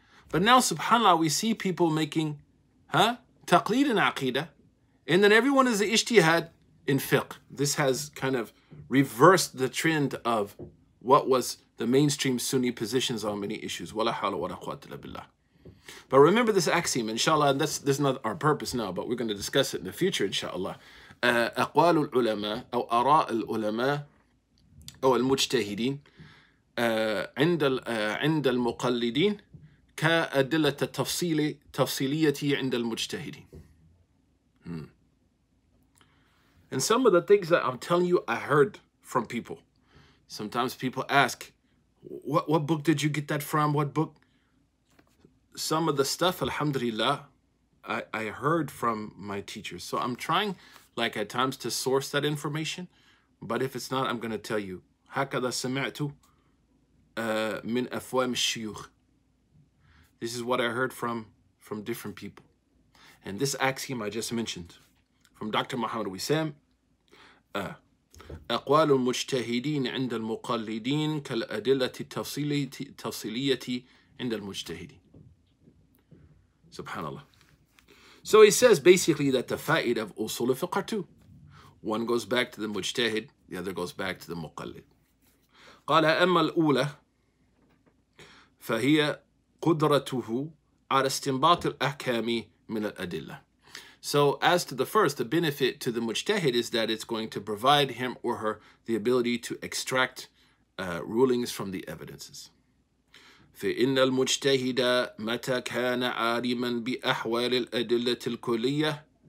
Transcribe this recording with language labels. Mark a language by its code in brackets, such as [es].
[en] But now, subhanAllah, we see people making taqlid in aqidah, and then everyone is the ijtihad in fiqh. This has kind of reversed the trend of what was the mainstream Sunni positions on many issues. [ar] Wala hawla wala quwwata illa billah. [en] But remember this axiom, inshallah, and this is not our purpose now, but we're going to discuss it in the future, inshallah. [ar] أقوال العلماء أو أراء العلماء أو المجتهدين عند المقلدين كأدلة تفصيلية عند المجتهدين. [en] And some of the things that I'm telling you, I heard from people. Sometimes people ask, what book did you get that from? What book? Some of the stuff, alhamdulillah, I heard from my teachers. So I'm trying, like at times, to source that information. But if it's not, I'm going to tell you. [ar] هكذا سمعت من أفوام الشيوخ. [en] This is what I heard from different people. And this axiom I just mentioned from Dr. Muhammad Wissam. [ar] أقوال المجتهدين عند المقلدين كالأدلة التفصيلية عند المجتهدين. [en] SubhanAllah. So he says basically that the fa'id of usul al-fiqh are two. One goes back to the mujtahid, the other goes back to the muqalid. [ar] قال أما الأولى فهي قدرته على استنباط الأحكام من الأدلة. [en] So as to the first, the benefit to the mujtahid is that it's going to provide him or her the ability to extract rulings from the evidences. [ar] فَإِنَّ الْمُجْتَهِدَ مَتَى كَانَ عَالِمًا بِأَحْوَالِ الْأَدِلَّةِ الْكُلِّيَّةِ.